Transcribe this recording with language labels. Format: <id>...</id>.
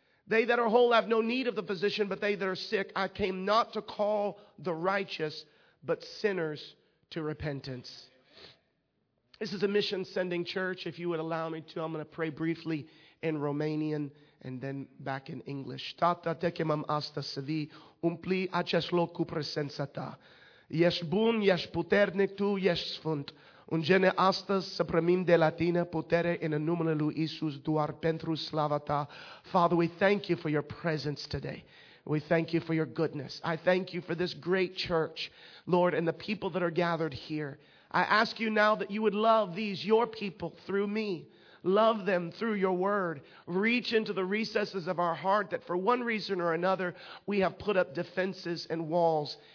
<en>They that are whole have no need of the physician, but they that are sick. I came not to call the righteous, but sinners to repentance. This is a mission-sending church. If you would allow me to, I'm going to pray briefly in Romanian and then back in English.</en> <ro>Tată, te chemăm astăzi să vii, umpli acest loc cu prezența ta. Ești bun, ești puternic, tu ești sfânt. Ungene astăzi să primim de la tine putere în numele lui Iisus doar pentru slava ta.</ro> <en>Father, we thank you for your presence today. We thank you for your goodness. I thank you for this great church, Lord, and the people that are gathered here. I ask you now that you would love these, your people, through me. Love them through your word. Reach into the recesses of our heart that for one reason or another, we have put up defenses and walls.</en>